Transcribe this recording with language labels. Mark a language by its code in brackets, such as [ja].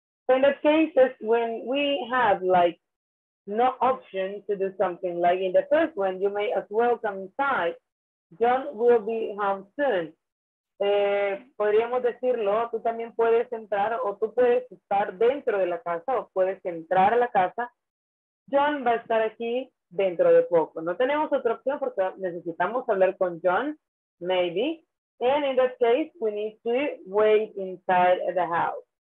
[en] So in that case, when we have like no option to do something, like in the first one, you may as well come inside. John will be home soon. [es] Podríamos decirlo, tú también puedes entrar o tú puedes estar dentro de la casa o puedes entrar a la casa. John va a estar aquí dentro de poco. No tenemos otra opción porque necesitamos hablar con John, maybe. [en] And in that case, we need to wait inside the house.